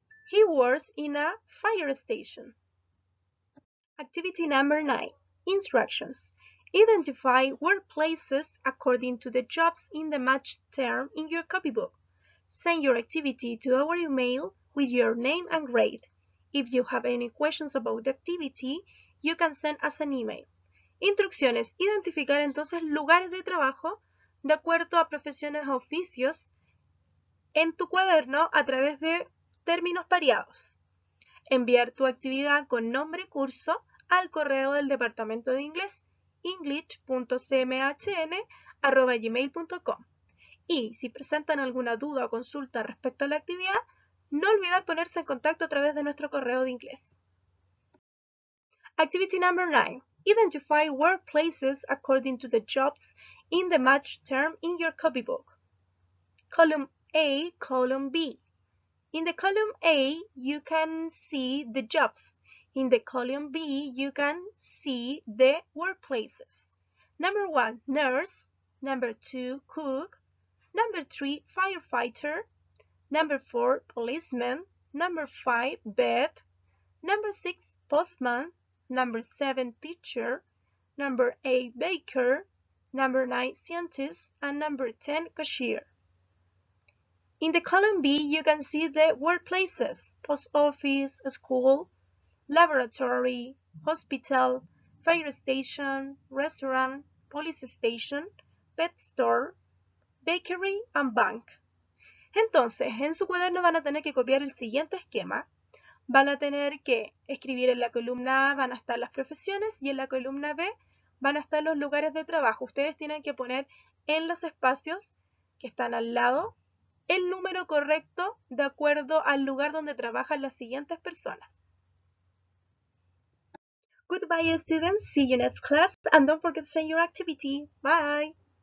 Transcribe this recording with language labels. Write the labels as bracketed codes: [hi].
[en] He works in a fire station. Activity number 9. Instructions. Identify workplaces according to the jobs in the match term in your copybook. Send your activity to our email with your name and grade. If you have any questions about the activity, you can send us an email. [es] Instrucciones. Identificar entonces lugares de trabajo de acuerdo a profesiones o oficios en tu cuaderno a través de términos pareados. Enviar tu actividad con nombre y curso al correo del departamento de inglés english.cmhn@gmail.com. Y si presentan alguna duda o consulta respecto a la actividad, no olvidar ponerse en contacto a través de nuestro correo de inglés. [en] Activity number 9. Identify workplaces according to the jobs in the match term in your copybook. Column A, column B. In the column A, you can see the jobs. In the column B, you can see the workplaces. Number 1, nurse. Number 2, cook. Number 3, firefighter. Number 4, policeman. Number 5, vet. Number 6, postman. Number 7, teacher. Number 8, baker. Number 9, scientist. And number 10, cashier. In the column B, you can see the workplaces, post office, school, laboratory, hospital, fire station, restaurant, police station, pet store, bakery, and bank. [es] Entonces, en su cuaderno van a tener que copiar el siguiente esquema. Van a tener que escribir en la columna A, van a estar las profesiones, y en la columna B, van a estar los lugares de trabajo. Ustedes tienen que poner en los espacios que están al lado el número correcto de acuerdo al lugar donde trabajan las siguientes personas. [en] Goodbye, students. See you next class. And don't forget to send your activity. Bye.